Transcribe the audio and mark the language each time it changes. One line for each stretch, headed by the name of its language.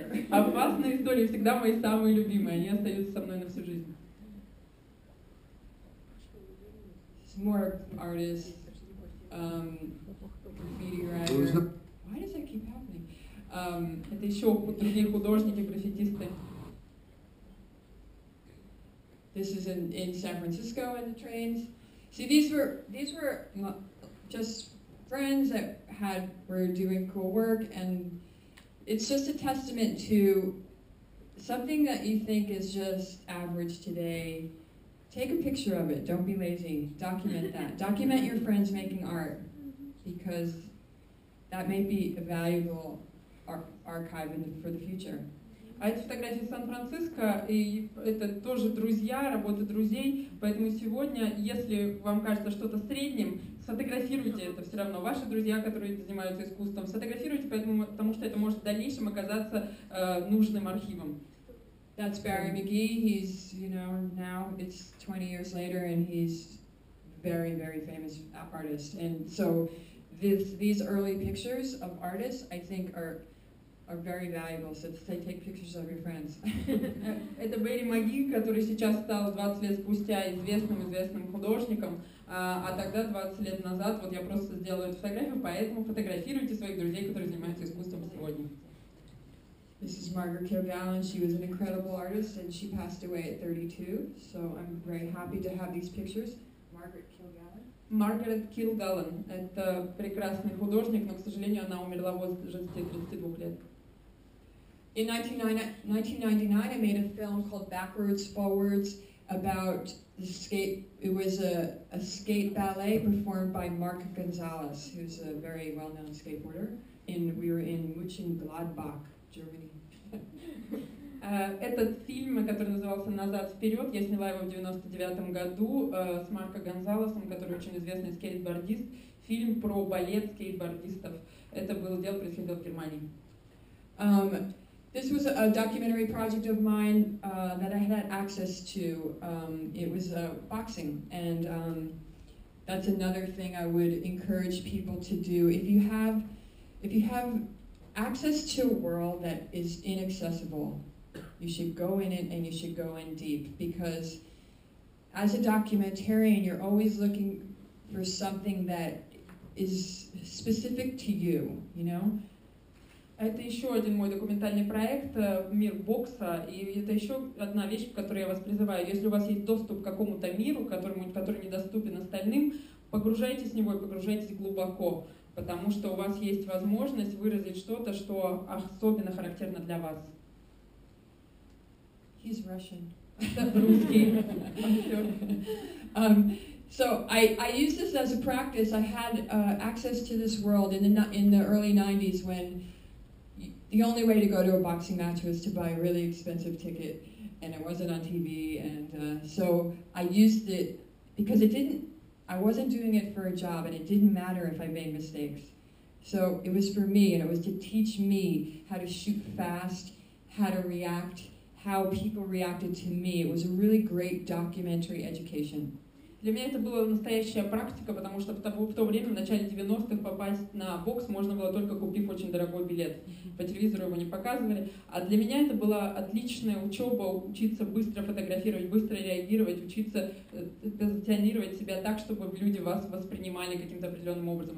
Russian: Опасные истории всегда мои самые любимые. Они остаются со мной на всю жизнь.
English: More artists, graffiti writers. Why does that keep happening?
Russian: Это еще другие художники, граффитисты.
English: This is in San Francisco in the trains. See, these were just friends that were doing cool work, and It's just a testament to something that you think is just average today. Take a picture of it. Don't be lazy. Document that. Document your friends making art, because that may be a valuable archive for the future.
Russian: А это фотографии из Сан-Франциско, и это тоже друзья, работа друзей. Поэтому сегодня, если вам кажется что-то средним, сфотографируйте это все равно. Ваши друзья, которые занимаются искусством, сфотографируйте, потому что это может в дальнейшем оказаться нужным архивом.
English: That's Barry McGee. He's, you know, now it's 20 years later, and he's very, very famous artist. And so these early pictures of artists, I think, are very valuable, so they take pictures of your friends.
Russian: Это Бэрри Маги, который сейчас стал 20 лет спустя известным художником, а тогда 20 лет назад, вот я просто сделаю эту фотографию, поэтому фотографируйте своих друзей, которые занимаются искусством сегодня.
English: This is Margaret Kirby-Allen. She was an incredible artist, and she passed away at 32, so I'm very happy to have these pictures.
Russian: Маргарет Килгаллен – это прекрасный художник, но, к сожалению, она умерла в возрасте 32 лет.
English: In 1999, I made a film called Backwards Forwards about the skate. It was a skate ballet performed by Mark Gonzalez, who's a very well-known skateboarder. And we were in Mönchengladbach, Germany.
Russian: Этот фильм, который назывался «Назад, вперед», я сняла его в 99 году с Марко Гонзалесом, который очень известный скейтбордист. Фильм про балет скейтбордистов. Это было дело, происходило в Германии.
English: This was a documentary project of mine that I had access to. It was boxing, and that's another thing I would encourage people to do. If you have access to a world that is inaccessible, you should go in it, and you should go in deep, because as a documentarian, you're always looking for something that is specific to you, you know?
Russian: Это еще один мой документальный проект «Мир бокса», и это еще одна вещь, которую я вас призываю. Если у вас есть доступ к какому-то миру, который недоступен остальным, погружайтесь в него и погружайтесь глубоко, потому что у вас есть возможность выразить что-то, что особенно характерно для вас.
English: He's Russian.
Russian: Русский.
English: So I used this as a practice. I had access to this world in the early 90s when the only way to go to a boxing match was to buy a really expensive ticket, and it wasn't on TV. And so I used it because I wasn't doing it for a job, and it didn't matter if I made mistakes. So it was for me, and it was to teach me how to shoot fast, how to react, how people reacted to me. It was a really great documentary education.
Russian: Для меня это была настоящая практика, потому что в то время, в начале 90-х, попасть на бокс можно было только купив очень дорогой билет. По телевизору его не показывали. А для меня это была отличная учеба, учиться быстро фотографировать, быстро реагировать, учиться позиционировать себя так, чтобы люди вас воспринимали каким-то определенным образом.